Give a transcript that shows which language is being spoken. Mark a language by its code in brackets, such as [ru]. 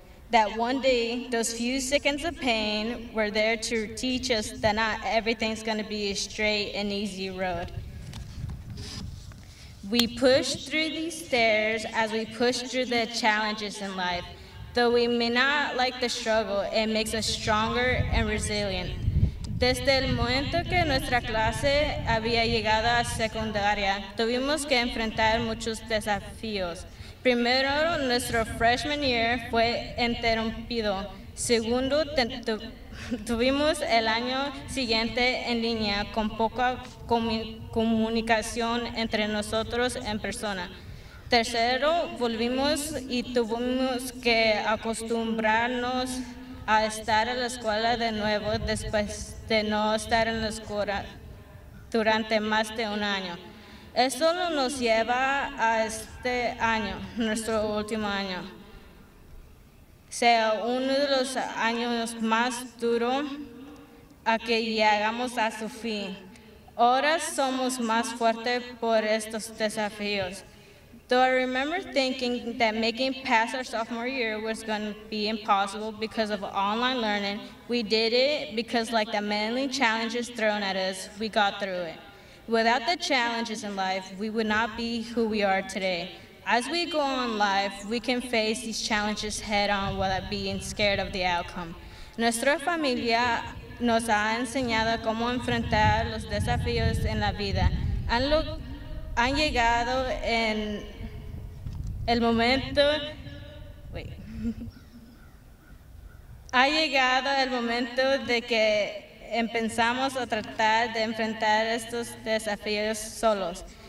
[en] That one day, those few seconds of pain were there to teach us that not everything's gonna be a straight and easy road. We push through these stairs as we push through the challenges in life. Though we may not like the struggle, it makes us stronger and resilient. [es] Desde el momento que nuestra clase había llegado a secundaria, tuvimos que enfrentar muchos desafíos. Primero, nuestro freshman year fue interrumpido. Segundo, tuvimos el año siguiente en línea con poca comunicación entre nosotros en persona. Tercero, volvimos y tuvimos que acostumbrarnos a estar en la escuela de nuevo después de no estar en la escuela durante más de un año. Esto nos lleva a este año, nuestro último año. Sea uno de los años más duros a que llegamos a su fin. Ahora somos más fuertes por estos desafíos. [en] Though I remember thinking that making past our sophomore year was going to be impossible because of online learning, we did it because like the many challenges thrown at us, we got through it. Without the challenges in life, we would not be who we are today. As we go on life, we can face these challenges head on without being scared of the outcome. [es] Nuestra familia nos ha enseñado cómo enfrentar los desafíos en la vida. Han llegado en el momento. Ha llegado el momento de que empezamos a tratar de enfrentar estos desafíos solos.